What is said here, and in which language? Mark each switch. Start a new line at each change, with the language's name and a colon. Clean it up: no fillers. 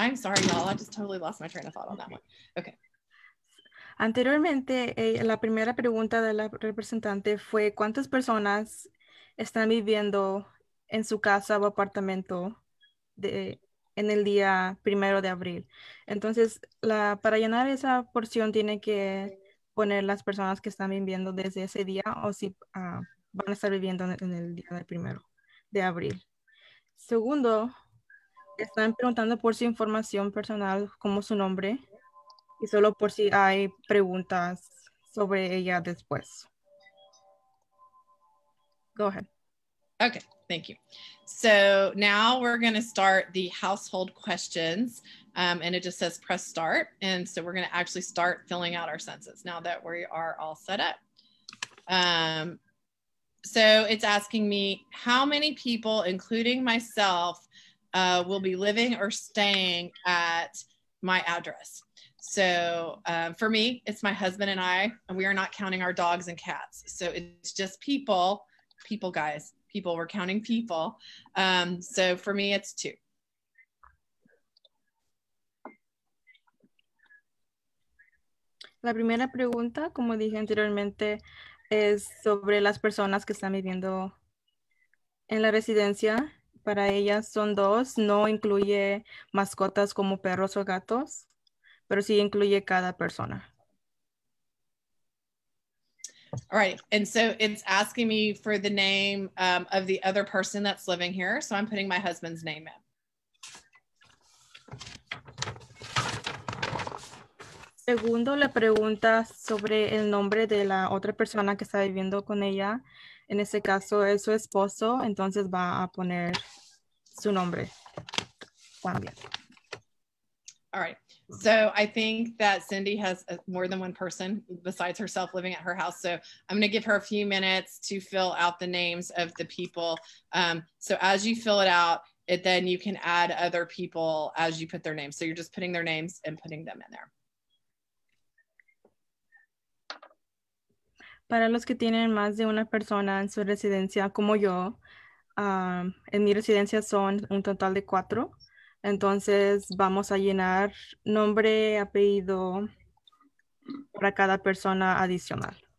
English: I'm sorry, y'all. I just totally lost my train of thought on that one. Okay.
Spanish: Anteriormente, la primera pregunta de la representante fue cuántas personas están viviendo en su casa o apartamento en el día primero de abril. Entonces, para llenar esa porción tiene que poner las personas que están viviendo desde ese día o si van a estar viviendo en el día del primero de abril. Segundo, están preguntando por su información personal, como su nombre, y solo por si hay preguntas sobre ella después.
English: Go ahead. Okay, thank you. So now we're going to start the household questions, and it just says press start. And so we're going to actually start filling out our census now that we are all set up. So it's asking me how many people, including myself, will be living or staying at my address. So for me, it's my husband and I, and we are not counting our dogs and cats. So it's just people, guys, people, we're counting people. So for me, it's two.
Spanish: La primera pregunta, como dije anteriormente, es sobre las personas que están viviendo en la residencia. Para ellas son dos, no incluye mascotas como perros o gatos, pero sí incluye cada persona.
English: All right, and so it's asking me for the name of the other person that's living here, so I'm putting my husband's name in.
Spanish: Segundo, la pregunta sobre el nombre de la otra persona que está viviendo con ella. En ese caso, es su esposo, entonces va a poner su nombre. También.
English: All right. So I think that Cindy has more than one person besides herself living at her house. So I'm going to give her a few minutes to fill out the names of the people. So as you fill it out, it then you can add other people as you put their names. So you're just putting their names and putting them in there.
Spanish: Para los que tienen más de una persona en su residencia, como yo, en mi residencia son un total de cuatro. Entonces vamos a llenar nombre, apellido para cada persona adicional.